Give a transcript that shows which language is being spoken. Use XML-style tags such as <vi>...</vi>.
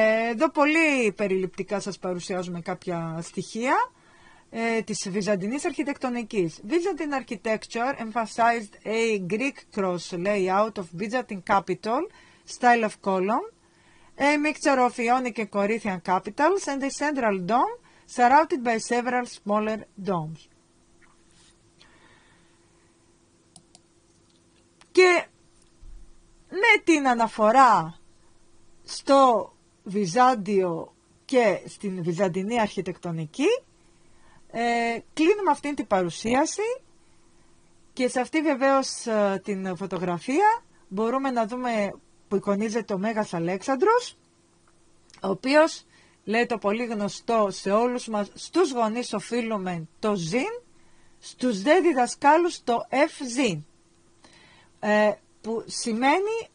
<el>Εδώ πολύ περιληπτικά σας παρουσιάζουμε κάποια στοιχεία της Βυζαντινής αρχιτεκτονικής.</el> <en>Byzantine architecture emphasized a Greek cross layout of Byzantine capital, style of column, a mixture of Ionic and Corinthian capitals and a central dome surrounded by several smaller domes.</en> <el>Και με την αναφορά στο Βυζάντιο και στην Βυζαντινή αρχιτεκτονική, κλείνουμε αυτήν την παρουσίαση και σε αυτή βεβαίως την φωτογραφία μπορούμε να δούμε που εικονίζεται ο Μέγας Αλέξανδρος, ο οποίος λέει το πολύ γνωστό σε όλους μας, στους γονείς οφείλουμε το ζήν, στους δε διδασκάλους το εφ ζήν, που σημαίνει</el>